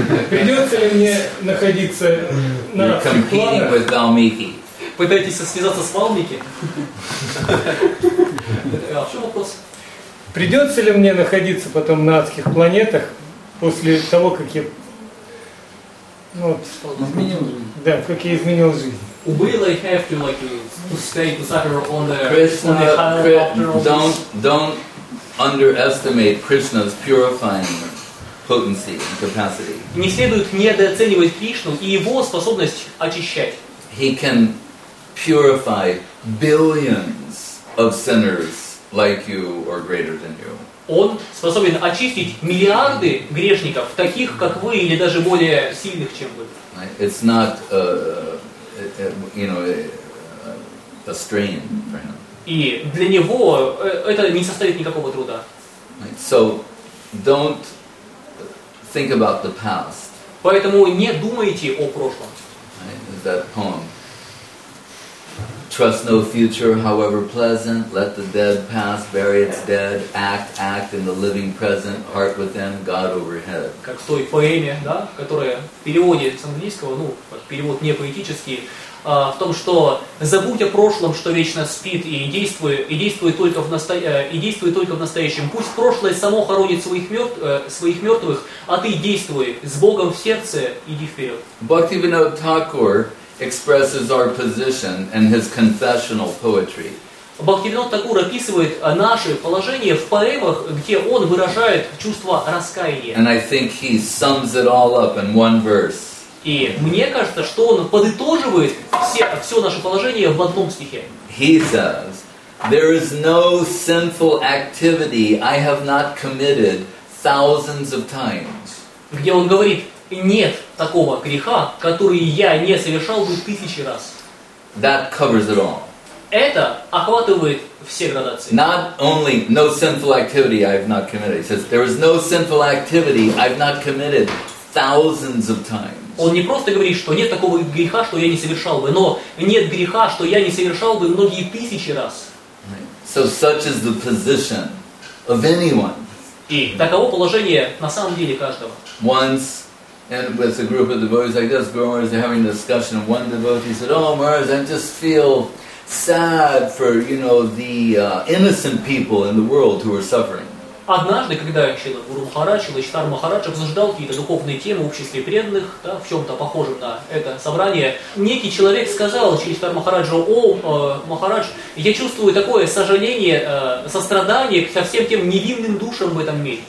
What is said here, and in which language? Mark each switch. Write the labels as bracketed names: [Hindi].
[Russian] Придется ли мне находиться на Валмике? Пытаетесь связаться с Валмике? Придется ли мне находиться потом на адских планетах после того, как я изменил жизнь? Да, как я изменил жизнь. [English] Will I have to like to stay to suffer on the higher after all? Don't underestimate Krishna's purifying potency and capacity. [Russian] Не следует недооценивать Кришну и его способность очищать. [English] He can purify billions of sinners like you or greater than you. [Russian] Он способен очистить миллиарды грешников, таких как вы или даже более сильных, чем вы. [English] It's not a strain for him. [Russian] И для него это не составит никакого труда. [English] So don't think about the past. [Russian] Поэтому не думайте о прошлом. [English] Right? That poem. Trust no future, however pleasant. Let the dead past bury its dead. Act in the living present. Heart within, God overhead. [Russian] Как в той поэме, да, которая в переводе с английского, ну, перевод не поэтический, в том, что забудь о прошлом, что вечно спит, и действуй только в настоящем. Пусть прошлое само хоронит своих мертвых, а ты действуй с Богом в сердце, иди вперед. [English] Бхактивинода Тхакур expresses our position in his confessional poetry. [Russian] Бхактивинода Тхакур описывает наше положение в поэмах, где он выражает чувство раскаяния. [English] And I think he sums it all up in one verse. [Russian] И мне кажется, что он подытоживает все наше положение в одном стихе. [English] He says, there is no sinful activity I have not committed thousands of times. [Russian] Где он говорит, нет такого греха, который я не совершал бы тысячи раз. [English] That covers it all. [Russian] Это охватывает все градации. [English] Not only no sinful activity I have not committed. He says, there is no sinful activity I have not committed thousands of times. [Russian] Он не просто говорит, что нет такого греха, что я не совершал бы, но нет греха, что я не совершал бы многие тысячи раз. [English] So such is the position of anyone. [Russian] И таково положение на самом деле каждого. [English] Once, and with a group of devotees like this, Guru Maharaj is having a discussion, and one devotee said, "Oh, Maharaj, I just feel sad for innocent people in the world who are suffering." [Russian] Однажды, когда Гуру Махарадж, Лачитар Махарадж обсуждал какие-то духовные темы в обществе преданных, да, в чем-то похожем на это собрание, некий человек сказал Лачитар Махараджу, Махарадж, я чувствую такое сожаление, сострадание со всем тем невинным душам в этом мире.